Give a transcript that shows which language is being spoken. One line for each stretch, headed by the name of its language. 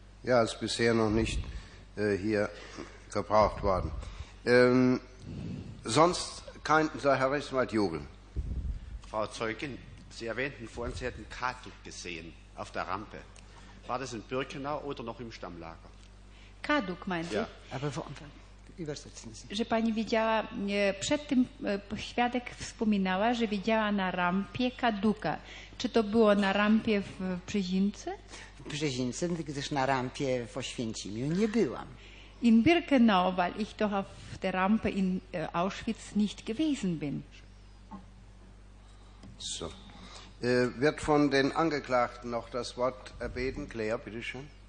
German: Ja, ist bisher noch nicht hier gebraucht worden. Sonst kein Herr Rechtsanwalt Jogel. Frau Zeugin, Sie erwähnten vorhin, Sie hätten Kadel gesehen auf der Rampe. War das in Birkenau oder noch im Stammlager? Kaduk, meinen Sie? Ja, aber woanders. Übersetzen Sie.
Polish: Że pani widziała, przed tym świadek wspominała, że widziała na rampie kaduka. Czy to było na rampie w Brzezińce? W Brzezińce, gdyż na rampie w Oświęcimiu nie byłam.
German: In Birkenau, weil ich doch auf der Rampe in Auschwitz nicht gewesen bin. So. Wird von den Angeklagten noch das Wort erbeten? Claire, bitteschön.